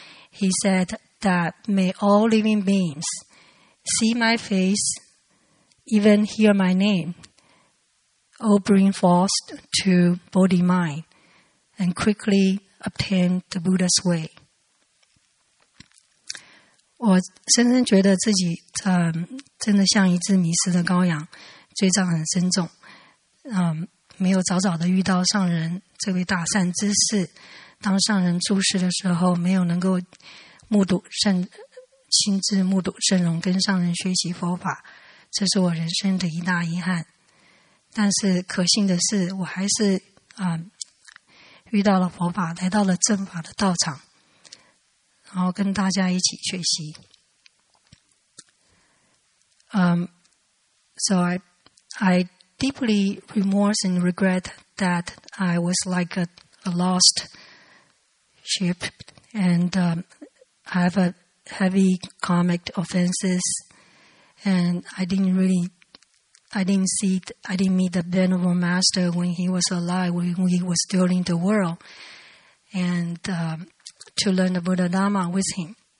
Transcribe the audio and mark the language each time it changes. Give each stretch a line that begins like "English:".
English: He said that may all living beings see my face, even hear my name, all bring forth to body mind, and quickly obtain the Buddha's way.
Chinese: 我深深觉得自己真的像一只迷失的羔羊，罪障很深重，没有早早的遇到上人这位大善知识。当上人出世的时候，没有能够目睹圣，亲自目睹圣容，跟上人学习佛法，这是我人生的一大遗憾。但是可幸的是，我还是遇到了佛法，来到了正法的道场，然后跟大家一起学习。
English: So I deeply remorse and regret that I was like a lost sheep, and I have a heavy karmic offenses, and I didn't meet the Venerable Master when he was alive, when he was still in the world, and to learn the Buddha Dharma with him.